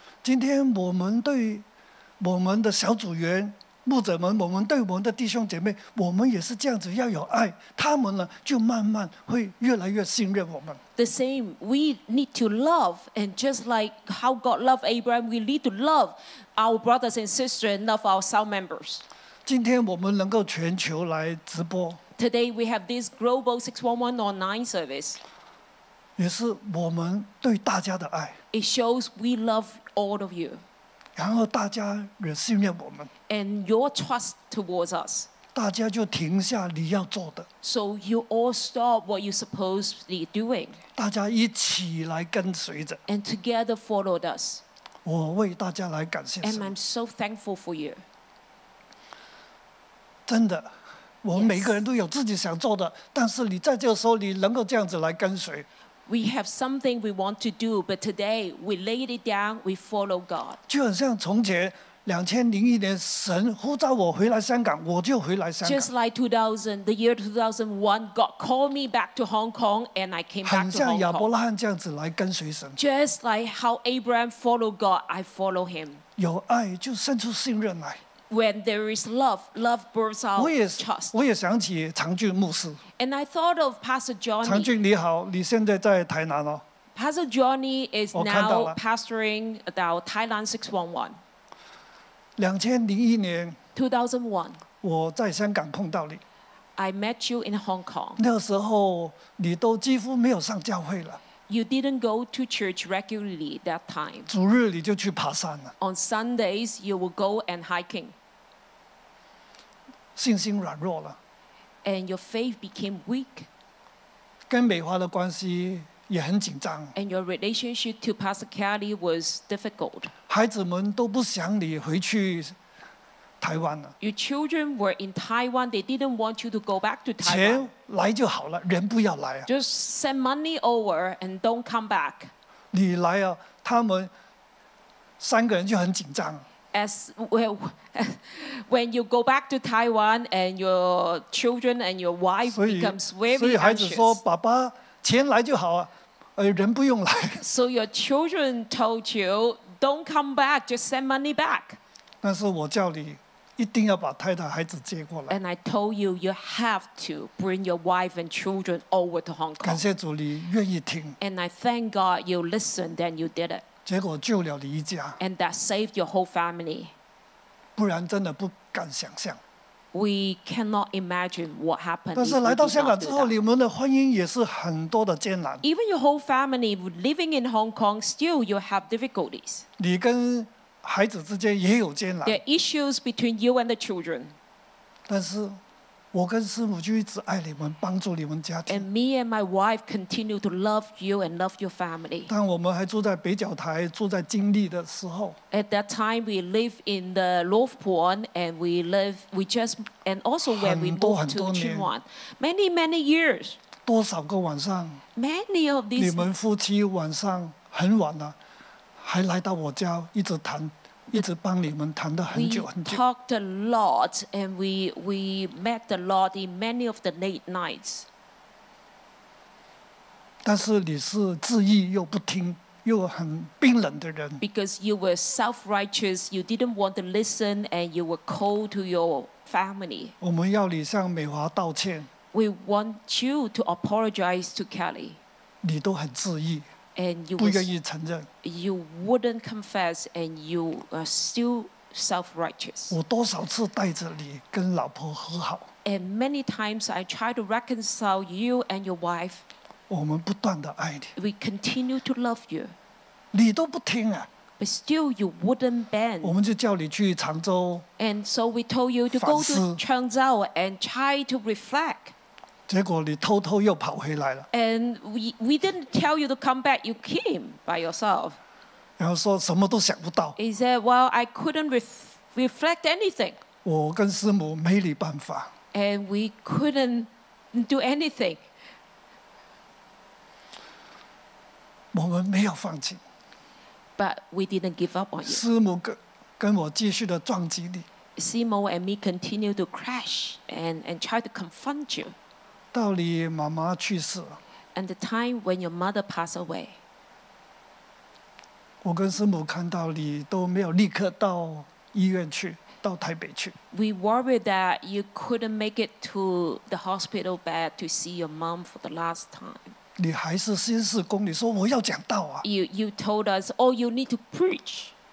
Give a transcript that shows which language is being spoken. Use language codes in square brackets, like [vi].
[zh] 今天我们对我们的小组员、牧者们，我们对我们的弟兄姐妹，我们也是这样子要有爱，他们呢就慢慢会越来越信任我们。 [en] The same, we need to love, and just like how God loved Abraham, we need to love our brothers and sisters and love our cell members. [zh] 今天我们能够全球来直播。 [en] Today we have this global 611 online service. [zh] 也是我们对大家的爱。 [en] It shows we love all of you. [zh] 然后大家也信任我们。 [en] And your trust towards us. [zh] 大家就停下你要做的。 [en] So you all stop what you're supposed to be doing. [zh] 大家一起来跟随着。 [en] And together followed us. [zh] 我为大家来感谢神。 [en] And I'm so thankful for you. [zh] 真的，我们每个人都有自己想做的， [en] yes. [zh] 但是你在这个时候，你能够这样子来跟随。 [en] We have something we want to do, but today we laid it down, we follow God. [zh] 就很像从前2001年，神呼召我回来香港，我就回来香港。 [en] Just like 2000, the year 2001, God called me back to Hong Kong, and I came back to Hong Kong. [zh] 很像亚伯拉罕这样子来跟随神。 [en] Just like how Abraham followed God, I follow him. [zh] 有爱就生出信任来。 [en] When there is love, love births out trust. [zh] 我也想起常俊牧师。 [en] And I thought of Pastor Johnny. [zh] 常俊你好，你现在在台南哦。 [en] Pastor Johnny is now pastoring about Thailand 611. [zh] 2001年。 [en] 2001. [zh] 我在香港碰到你。 [en] I met you in Hong Kong. [zh] 那时候你都几乎没有上教会了。 [en] You didn't go to church regularly that time. [zh] 主日你就去爬山了。 [en] On Sundays, you will go and hiking. [zh] 信心软弱了。 [en] And your faith became weak. [zh] 跟美华的关系也很紧张。 [en] And your relationship to Pastor Kelly was difficult. [zh] 孩子们都不想你回去台湾了。 [en] Your children were in Taiwan. They didn't want you to go back to Taiwan. [zh] 钱来就好了，人不要来啊。 [en] Just send money over and don't come back. [zh] 你来啊，他们三个人就很紧张。 [en] As well, when you go back to Taiwan and your children and your wife becomes very anxious. [zh] 所以孩子说：“爸爸，钱来就好啊，人不用来。” [en] So your children told you, "Don't come back. Just send money back." [zh] 但是我叫你。一定要把太太孩子接过来。 [en] And I told you, you have to bring your wife and children over to Hong Kong. [zh] 感谢主，你愿意听。 [en] And I thank God you listened and you did it. [zh] 结果救了你一家。 [en] And that saved your whole family. [zh] 不然真的不敢想象。 [en] We cannot imagine what happened. [zh] 但是来到香港之后，你们的婚姻也是很多的艰难。 [en] Even your whole family living in Hong Kong, still you have difficulties. [zh] 你跟孩子之间也有艰难。 [en] There are issues between you and the children. [zh] 但是，我跟师母就一直爱你们，帮助你们家庭。 [en] And me and my wife continue to love you and love your family. [zh] 当我们还住在北角台，住在金利的时候。 [en] At that time, we live in the North Point, and we also when we moved to Tsuen Wan, many years. [zh] 多少个晚上 [en] ？Many of these. [zh] 你们夫妻晚上很晚了。还来到我家，一直谈，一直帮你们谈的很久很久。 [en] We talked a lot, and we met a lot in many of the late nights. [zh] 但是你是自意又不听，又很冰冷的人。 [en] Because you were self-righteous, you didn't want to listen, and you were cold to your family. [zh] 我们要你向美华道歉。 [en] We want you to apologize to Kelly. [zh] 你都很自意 [en] and you [zh] 不愿意承认 [en] you wouldn't confess and you are still self-righteous [zh] 我多少次带着你跟老婆和好 [en] and many times I try to reconcile you and your wife [zh] 我们不断地爱你 [en] we continue to love you [zh] 你都不听啊 [en] But still, you wouldn't bend. [zh] 我们就叫你去常州 [en] And so we told you to go to Changzhou and try to reflect. [zh] 结果你偷偷又跑回来了 [en] And we didn't tell you to come back. You came by yourself. [zh] 然后说什么都想不到 [en] He said, well, I couldn't reflect anything. [zh] 我跟师母没理办法 [en] And we couldn't do anything. [zh] 我们没有放弃 [en] But we didn't give up on you. [zh] 师母跟我继续的撞击你。 [en] Simo and me continue to crash and try to confront you. [zh] 到你妈妈去世。 [en] And the time when your mother passed away. [zh] 我跟师母看到你都没有立刻到医院去，到台北去。 [en] We worried that you couldn't make it to the hospital bed to see your mom for the last time. [zh] 你还是心事工，你说我要讲道啊。 [en] You told us, oh, you need to preach.